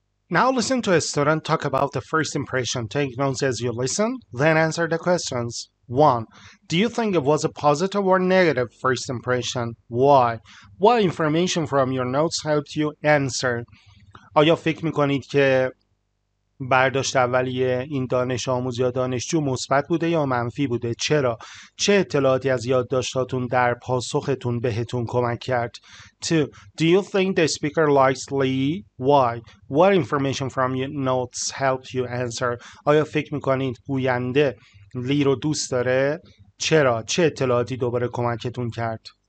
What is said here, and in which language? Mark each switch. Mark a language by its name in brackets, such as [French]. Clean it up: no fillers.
[English] Now listen to a student talk about the first impression. Take notes as you listen, then answer the questions. 1. Do you think it was a positive or negative first impression? Why? What information from your notes helped you answer? [Persian] آیا فکر میکنید که برداشت اولیه این دانش آموز یا دانشجو مثبت بوده یا منفی بوده؟ چرا؟ چه اطلاعاتی از یادداشتاتون در پاسختون بهتون کمک کرد؟ 2. [English] Do you think the speaker likes Lee? Why? What information from your notes helped you answer? [Persian] آیا فکر میکنید گوینده لی رو دوست داره؟ چرا؟ چه اطلاعاتی دوباره کمکتون کرد؟